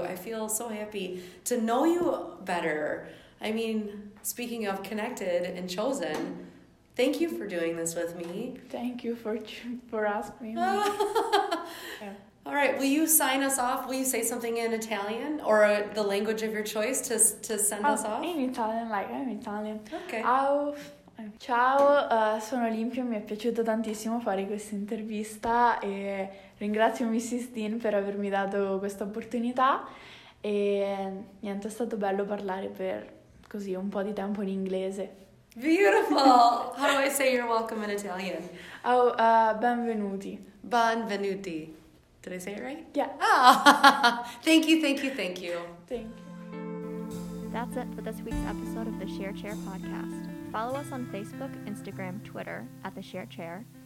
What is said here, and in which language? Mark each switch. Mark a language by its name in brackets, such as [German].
[English] I feel so happy to know you better. I mean, speaking of connected and chosen, thank you for doing this with me. Thank you for asking me. Yeah. All right, will you sign us off? Will you say something in Italian or the language of your choice to send us off? In Italian, like, I'm Italian. Okay. [Italian] Ciao, sono Olimpia, mi è piaciuto tantissimo fare questa intervista e ringrazio Mrs. Dean per avermi dato questa opportunità e niente, è stato bello parlare per così un po' di tempo in inglese. [English] Beautiful! How do I say you're welcome in Italian? [Italian] Oh, benvenuti. Benvenuti. [English] Did I say it right? Yeah. Oh. Thank you, thank you, thank you. Thank you. That's it for this week's episode of the Share Chair podcast. Follow us on Facebook, Instagram, Twitter, at The Share Chair.